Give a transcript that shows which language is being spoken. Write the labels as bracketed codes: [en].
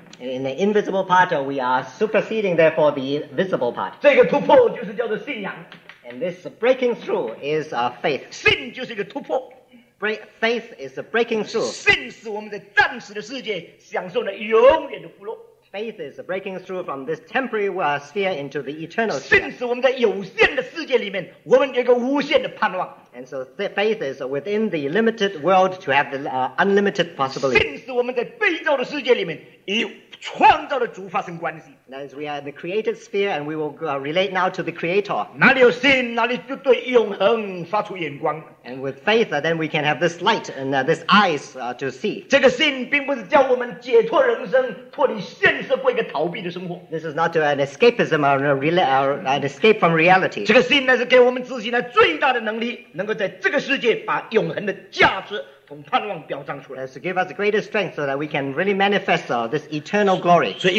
[en] In the invisible part, we are superseding therefore the visible part. [zh] 这个突破就是叫做信仰。 [en] And this breaking through is faith. [zh] 信就是一个突破。 [en] Faith is the breaking through. [zh] 信使我们在暂时的世界享受了永远的福乐。 [en] Faith is a breaking through from this temporary world sphere into the eternal sphere. [zh] 信使我们在有限的世界里面，我们有一个无限的盼望。 [en] And so faith is within the limited world to have the unlimited possibility. [zh] 信是我们在被造的世界里面与创造的主发生关系。 [en] That is, we are in the created sphere and we will relate now to the Creator. [zh] 哪里有信,哪里就对永恒发出眼光。 [en] And with faith, then we can have this light and this eyes to see. [zh] 这个信并不是叫我们解脱人生,脱离现实过一个逃避的生活。 [en] This is not an escapism or an escape from reality. [zh] 这个信呢,是给我们自己最大的能力,能够在这个世界把永恒的价值 [en] To give us the greatest strength so that we can really manifest this eternal glory.